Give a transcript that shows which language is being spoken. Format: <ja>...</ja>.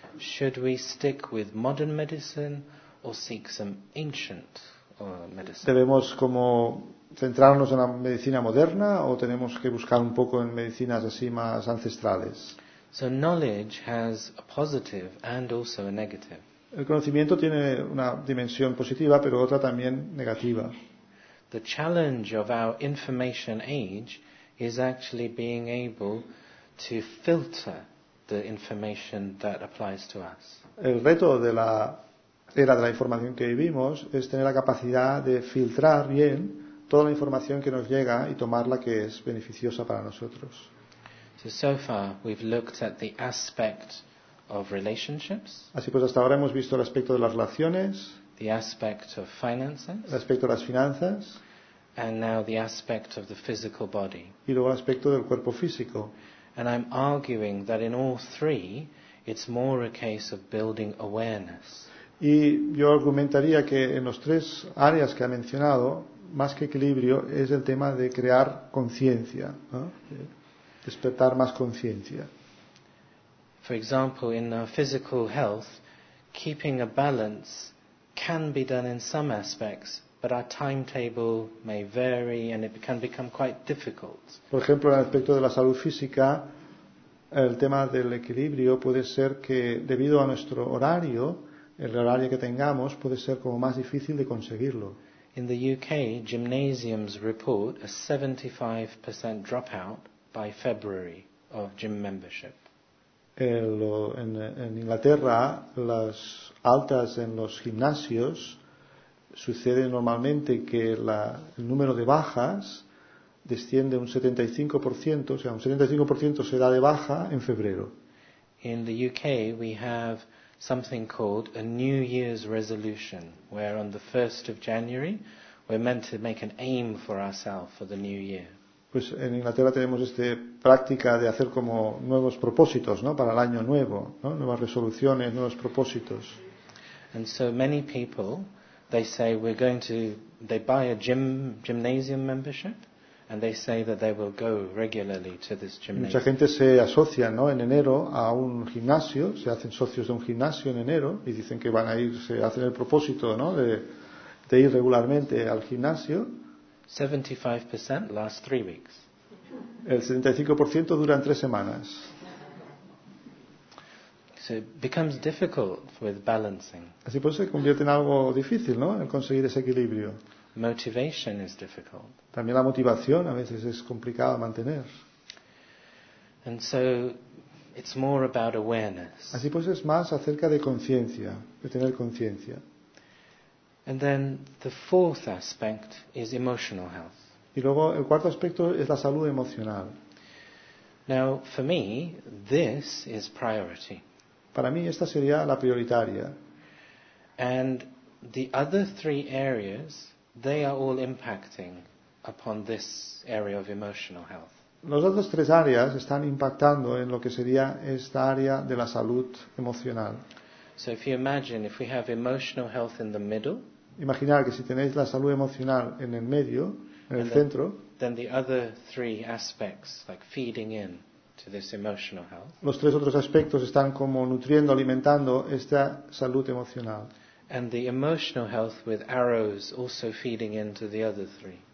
<en>Should we stick with modern medicine or seek some ancient medicine?</en> <es>¿Debemos como centrarnos en la medicina moderna o tenemos que buscar un poco en medicinas así más ancestrales?</es> <en>So knowledge has a positive and also a negative.</en> <es>El conocimiento tiene una dimensión positiva, pero otra también negativa.</es> <en>The challenge of our information age is actually being able to filter the information that applies to us.</en> <es>El reto de la era de la información que vivimos es tener la capacidad de filtrar bien toda la información que nos llega y tomarla que es beneficiosa para nosotros.</es> <en>So far we've looked at the aspect of relationships.</en> <es>Así pues, hasta ahora hemos visto el aspecto de las relaciones.</es> <en>The aspect of finances.</en> <es>El aspecto de las finanzas.</es> <en>And now the aspect of the physical body.</en> <es>Y luego el aspecto del cuerpo físico.</es> <en>And I'm arguing that in all three, it's more a case of building awareness.</en> <es>Y yo argumentaría que en los tres áreas que ha mencionado, más que equilibrio, es el tema de crear conciencia, ¿no? Despertar más conciencia.</es> <en>For example, in our physical health, keeping a balance can be done in some aspects, but our timetable may vary and it can become quite difficult.</en> <es>Por ejemplo, en el aspecto de la salud física, el tema del equilibrio puede ser que debido a nuestro horario, el horario que tengamos puede ser como más difícil de conseguirlo.</es> <en>In the UK, gymnasiums report a 75% dropout by February of gym membership.</en> <es>En Inglaterra, las altas en los gimnasios sucede normalmente que el número de bajas desciende un 75%, o sea, un 75% se da de baja en febrero.</es> <en>In the UK, we have something called a New Year's resolution, where on the 1st of January, we're meant to make an aim for ourselves for the new year.</en> <es>Pues en Inglaterra tenemos esta práctica de hacer como nuevos propósitos, ¿no? Para el año nuevo, ¿no? Nuevas resoluciones, nuevos propósitos.</es> <en>And so many people, they say they buy a gymnasium membership, and they say that they will go regularly to this gymnasium.</en> <es>Mucha gente se asocia, ¿no? En enero a un gimnasio, se hacen socios de un gimnasio en enero y dicen que van a ir, se hacen el propósito, ¿no? De ir regularmente al gimnasio.</es> <en>75% last 3 weeks.</en> <es>El 75% dura 3 semanas.</es> <en>So it becomes difficult with balancing.</en> <es>Así pues se convierte en algo difícil, ¿no? El conseguir ese equilibrio.</es> <en>Motivation is difficult.</en> <es>También la motivación a veces es complicada mantener.</es> <en>And so it's more about awareness.</en> <es>Así pues es más acerca de conciencia, de tener conciencia.</es> <en>And then the fourth aspect is emotional health.</en> <es>Y luego el cuarto aspecto es la salud emocional.</es> <en>Now, for me, this is priority.</en> <es>Para mí esta sería la prioritaria.</es> <en>And the other three areas, they are all impacting upon this area of emotional health.</en> <es>Las otras tres áreas están impactando en lo que sería esta área de la salud emocional.</es> <en>So if you imagine if we have emotional health in the middle,</en> <es>imaginar que si tenéis la salud emocional en el medio, en el centro,</es> <en>then the other three aspects, like feeding in to this emotional health,</en> <es>los tres otros aspectos están como nutriendo, alimentando esta salud emocional.</es> <en>And the emotional health with arrows also feeding into the other three.</en>